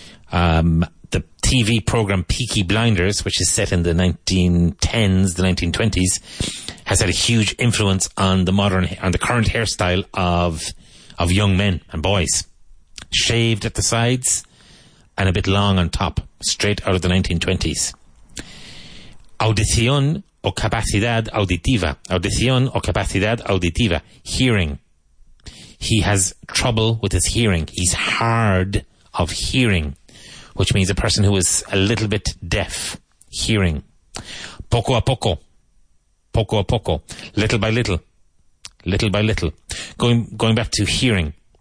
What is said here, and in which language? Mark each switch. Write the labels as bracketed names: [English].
[English] The TV program Peaky Blinders, which is set in the 1910s, the 1920s, has had a huge influence on the current hairstyle of young men and boys. Shaved at the sides and a bit long on top, straight out of the 1920s. [Spanish] Audición o capacidad auditiva. Audición o capacidad auditiva. [English] Hearing. He has trouble with his hearing. He's hard of hearing, which means a person who is a little bit deaf. Hearing. [Spanish] Poco a poco. Poco a poco. [English] Little by little. Little by little. Going back to hearing.